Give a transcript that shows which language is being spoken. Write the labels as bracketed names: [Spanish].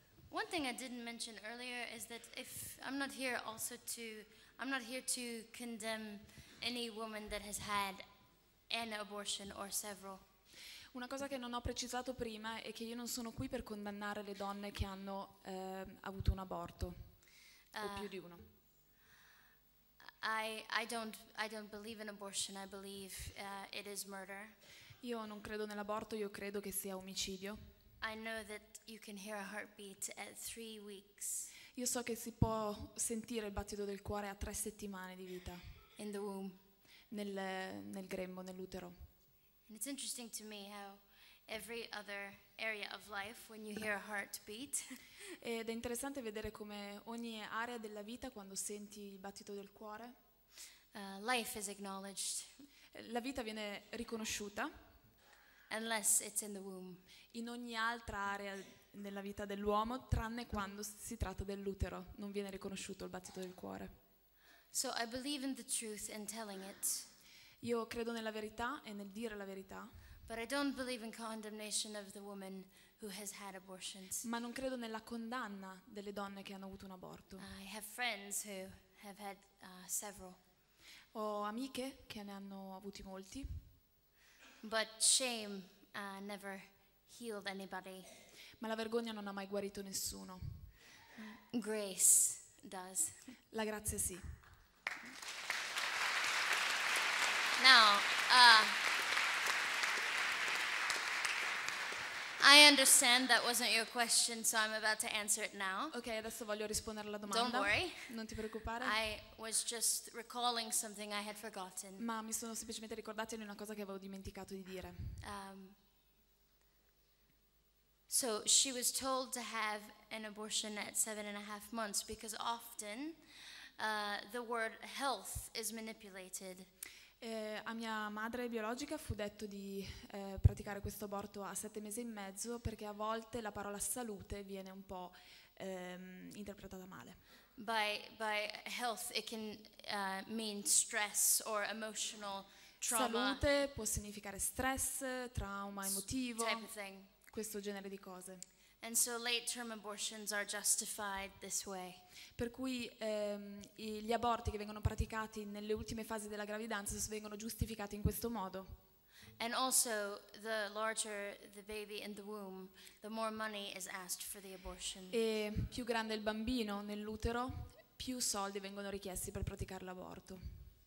[English] One thing I didn't mention earlier is that if I'm not here to condemn any woman that has had an abortion or several. [Italian] Una cosa che non ho precisato prima è che io non sono qui per condannare le donne che hanno avuto un aborto o più di uno. [English] I don't believe in abortion. I believe it is murder. [Italian] Io non credo nell'aborto, io credo che sia omicidio. [English] I know that you can hear a heartbeat at 3 weeks. [Italian] Io so che si può sentire il battito del cuore a 3 settimane di vita. [English] In the womb. [Italian] Nel grembo, nell'utero. [English] And it's interesting to me how every other area of life, when you hear a heartbeat. [Italian] Ed è interessante vedere come ogni area della vita, quando senti il battito del cuore. [English] Life is acknowledged. [Italian] La vita viene riconosciuta. [English] Unless it's in the womb. [Italian] In ogni altra area della vita dell'uomo, tranne quando si tratta dell'utero, non viene riconosciuto il battito del cuore. [English] So I believe in the truth and telling it. [Italian] Io credo nella verità e nel dire la verità. [English] But I don't believe in condemnation of the woman who has had abortions. [Italian] Ma non credo nella condanna delle donne che hanno avuto un aborto. [English] I have friends who have had several. [Italian] Ho amiche che ne hanno avuti molti. [English] But shame never healed anybody. [Italian] Ma la vergogna non ha mai guarito nessuno. [English] Grace does. [Italian] La grazia sì. [English] Now, I understand that wasn't your question, so I'm about to answer it now. [Italian] Okay, adesso voglio rispondere alla domanda. [English] Don't worry. [Italian] Non ti preoccupare. [English] I was just recalling something I had forgotten. [Italian] Ma mi sono semplicemente ricordata di una cosa che avevo dimenticato di dire. [English] So she was told to have an abortion at 7.5 months because often the word health is manipulated. [Italian] A mia madre biologica fu detto di praticare questo aborto a 7 mesi e mezzo perché a volte la parola salute viene un po' interpretata male. [English] By health it can mean stress or emotional trauma. [Italian] Salute può significare stress, trauma emotivo, [English] type of thing. [Italian] Questo genere di cose. [English] And so late term abortions are justified this way. [Italian] Per cui gli aborti che vengono praticati nelle ultime fasi della gravidanza vengono giustificati in questo modo. [English] And also the larger the baby in the womb, the more money is asked for the abortion. [Italian] E più grande il bambino nell'utero, più soldi vengono richiesti per praticare l'aborto.